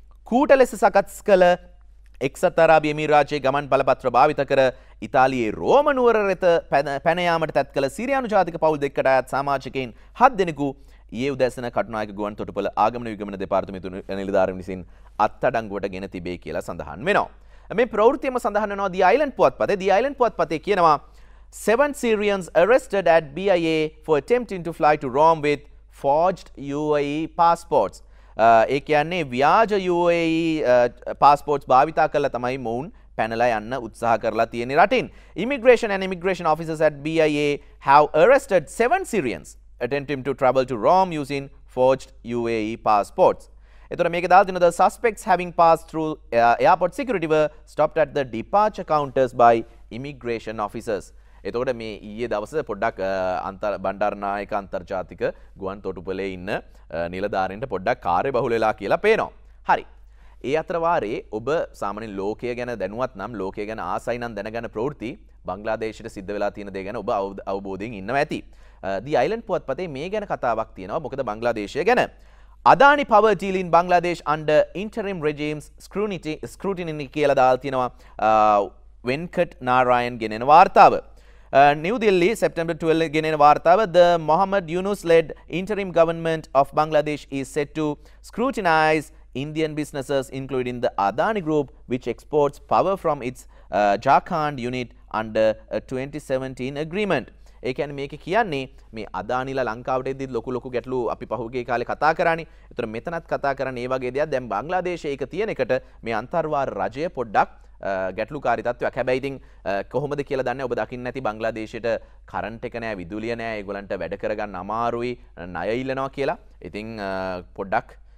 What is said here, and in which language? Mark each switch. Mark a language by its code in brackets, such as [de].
[si] කූට ලෙස සකස් කළ එක්සත් අරාබි එමිරාජයේ ගමන් බලපත්‍ර භාවිත කර ඉතාලියේ රෝම නුවර වෙත පැන යාමට තැත් කළ සිරියානු ජාතික පවුල් දෙකකට අයත් සමාජිකයින් 7 දෙනෙකු ඊයේ උදැසන කටුනායක ගුවන් තොටුපළ ආගමන විගමන දෙපාර්තමේන්තු නිලධාරීන් විසින් අත්අඩංගුවට ගෙන තිබේ කියලා සඳහන් වෙනවා. මේ ප්‍රවෘත්තියම සඳහන් වෙනවා දී අයිලන්ඩ් පුවත්පතේ. දී අයිලන්ඩ් පුවත්පතේ කියනවා [en] 7 Syrians arrested at BIA for attempting to fly to Rome with forged UAE passports. [si] ඒ කියන්නේ ව්‍යාජ UAE passports භාවිත කරලා තමයි මොවුන් පැනලා යන්න උත්සාහ කරලා තියෙන රටින්. [en] Immigration and Immigration officers at BIA have arrested 7 Syrians attempting to travel to Rome using forged UAE passports. [si] එතකොට මේකේ දාලා තියෙනවා [en] the suspects having passed through airport security were stopped at the departure counters by immigration officers. [si] එතකොට මේ ඊයේ දවසේ පොඩ්ඩක් අන්තර් බණ්ඩාරනායක අන්තර්ජාතික ගුවන් තොටුපළේ ඉන්න නිලධාරීන්ට පොඩ්ඩක් කාර්ය බහුල වෙලා කියලා පේනවා. හරි, ඒ අතර වාරේ ඔබ සාමාන්‍යයෙන් ලෝකය ගැන දැනුවත් නම් ලෝකය ගැන ආසයි නම් දැනගන්න ප්‍රවෘත්ති බංග්ලාදේශයට සිද්ධ වෙලා තියෙන දේ ගැන ඔබ අවබෝධයෙන් ඉන්නවා ඇති. දි අයිලන්ඩ් පුවත්පතේ මේ ගැන කතාවක් තියෙනවා. මොකද බංග්ලාදේශය ගැන Adani power ජීලින් Bangladesh under interim රෙජීම්ස් ස්ක්‍රූටිනි කියලා දාලා තියෙනවා වෙන්කට් නාරායන් ගෙනෙන වාර්තාව. [en] New Delhi, September 12, Ginen Vartava, the Mohammad Yunus-led interim government of Bangladesh is set to scrutinize Indian businesses, including the Adani Group, which exports power from its Jharkhand unit under a 2017 agreement. [si] ඒ කියන්නේ මේක කියන්නේ මේ අදානිලා ලංකාවට එද්දි ලොකු ලොකු ගැටලු අපි පහුගිය කාලේ කතා කරානේ. ඒතර මෙතනත් කතා කරන්නේ මේ වගේ දෙයක්. දැන් බංග්ලාදේශයේ එක තියෙන එකට මේ අන්තර්වාර රජය පොඩ්ඩක් ගැටලුකාරී තත්වයක්. හැබැයි ඉතින් කොහොමද කියලා දන්නේ ඔබ දකින්න ඇති බංග්ලාදේශයට කරන්ට් එක නැහැ, විදුලිය නැහැ, ඒගොල්ලන්ට වැඩ කරගන්න අමාරුයි, ණය ඉල්ලනවා කියලා. ඉතින් පොඩ්ඩක්